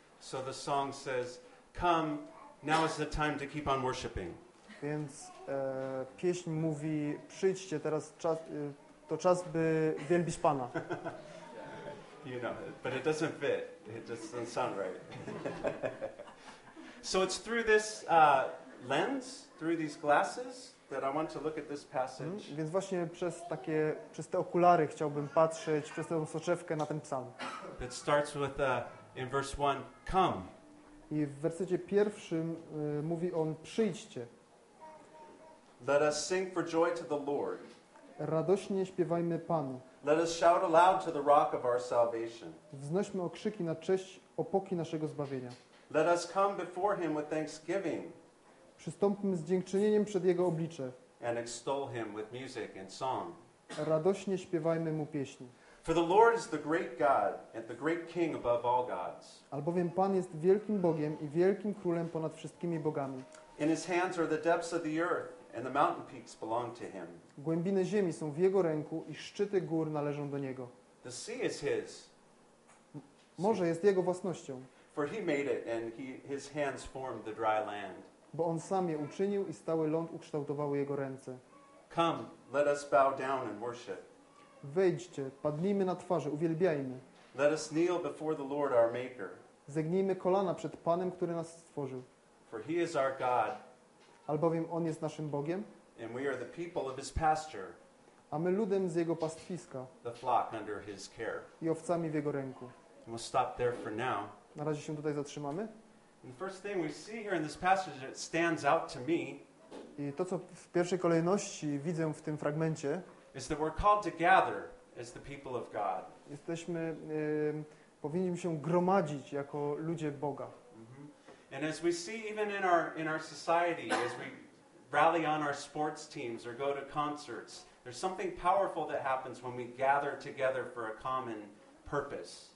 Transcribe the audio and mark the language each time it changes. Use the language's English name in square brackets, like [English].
[English] So the song says, come, now is the time to keep on worshiping. [Polish] Więc pieśń mówi, przyjdźcie, teraz czas, to czas, by wielbić Pana. [English] You know, but it doesn't fit. It just doesn't sound right. So it's through this lens, through these glasses, that I want to look at this passage. [Polish] Więc właśnie przez takie, przez te okulary chciałbym patrzeć, przez tę soczewkę na ten psalm. [English] It starts with, in verse 1, come. [Polish] I w wersecie pierwszym mówi on, przyjdźcie. [English] Let us sing for joy to the Lord. [Polish] Radośnie śpiewajmy Panu. [English] Let us shout aloud to the rock of our salvation. [Polish] Wznośmy okrzyki na cześć opoki naszego zbawienia. [English] Let us come before him with thanksgiving. [Polish] Przystąpmy z dziękczynieniem przed Jego oblicze. [English] And extol him with music and song. [Polish] Radośnie śpiewajmy Mu pieśni. [English] For the Lord is the great God and the great King above all gods. [Polish] Albowiem Pan jest wielkim Bogiem i wielkim Królem ponad wszystkimi bogami. [English] In His hands are the depths of the earth and the mountain peaks belong to Him. [Polish] Głębiny ziemi są w Jego ręku i szczyty gór należą do Niego. [English] The sea is His. [Polish] Morze jest Jego własnością. [English] For He made it and His hands formed the dry land. [Polish] Bo On sam je uczynił i stały ląd ukształtowały Jego ręce. [English] Come, let us bow down and worship. [Polish] Wejdźcie, padnijmy na twarze, uwielbiajmy. [English] Let us kneel before the Lord our Maker. [Polish] Zegnijmy kolana przed Panem, który nas stworzył. [English] For He is our God. [Polish] Albowiem On jest naszym Bogiem. [English] And we are the people of His pasture. [Polish] A my ludem z Jego pastwiska. [English] The flock under His care. [Polish] I owcami w Jego ręku. [English] And we'll stop there for now. [Polish] Na razie się tutaj zatrzymamy. [English] And the first thing we see here in this passage that stands out to me, [Polish] i to, co w pierwszej kolejności widzę w tym fragmencie, [English] is that we're called to gather as the people of God. [Polish] Jesteśmy, powinniśmy się gromadzić jako ludzie Boga. Mm-hmm. [English] And as we see even in our society, as we rally on our sports teams or go to concerts, there's something powerful that happens when we gather together for a common purpose.